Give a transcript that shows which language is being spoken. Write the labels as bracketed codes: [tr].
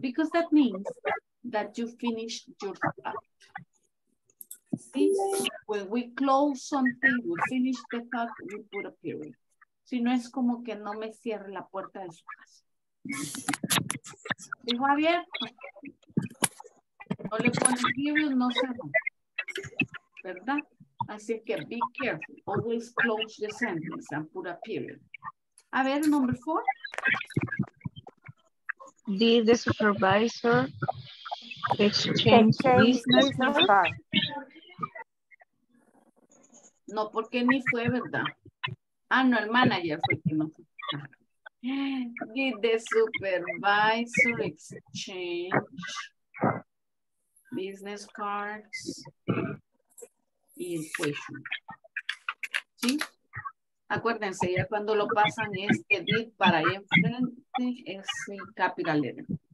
[en] Because that means that you finish your thought. See, when we close something, we finish the thought, we put a period. [es] Si no es como que no me cierre la puerta de su casa. ¿Dijo abierto? No le pone [en] period, [es] no se va. ¿Verdad? Así que [en] be careful. Always close the sentence and put a period. [es] A ver, [en] number four. Did the supervisor exchange business card? [es] No, porque ni fue, ¿verdad? Ah, no, el manager fue que no. [en] Did the supervisor exchange business cards y el question? [es] ¿Sí? Acuérdense, ya cuando lo pasan es que did para ahí enfrente es el [en] capital letter.